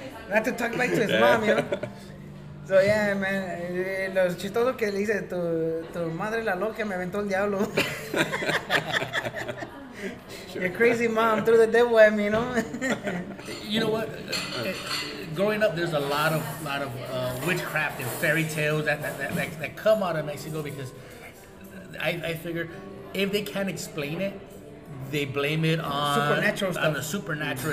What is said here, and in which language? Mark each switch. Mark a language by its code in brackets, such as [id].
[en] not to talk back to his mom, you know. So yeah, man, [es] lo chistoso que le dice, tu madre la loca me aventó el diablo. [en] Your crazy mom threw the devil at me, you know? You know what? Growing up, there's a lot of witchcraft and fairy tales that come out of Mexico, because I figure if they can't explain it, they blame it on the supernatural.